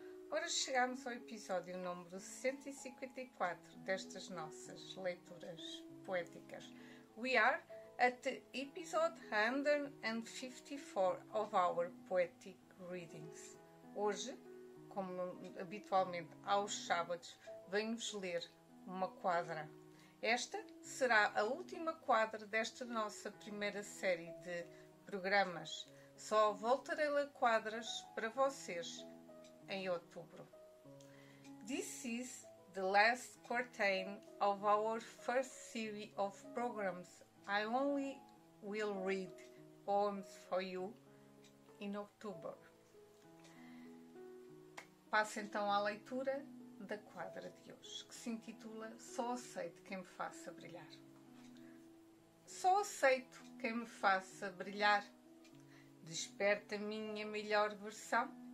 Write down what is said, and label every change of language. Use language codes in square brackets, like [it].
[pt] Ora, chegamos ao episódio número 154 destas nossas leituras poéticas. [en] We are at the episode 154 of our poetic readings. [pt] Hoje, como habitualmente aos sábados, venho-vos ler uma quadra. Esta será a última quadra desta nossa primeira série de programas. Só voltarei a ler quadras para vocês em outubro. [en] This is the last quartet of our first series of programs. I only will read poems for you in October. [pt] Passo então à leitura da quadra de hoje, que se intitula Só aceito quem me faça brilhar. Só aceito quem me faça brilhar. Desperta a minha melhor versão.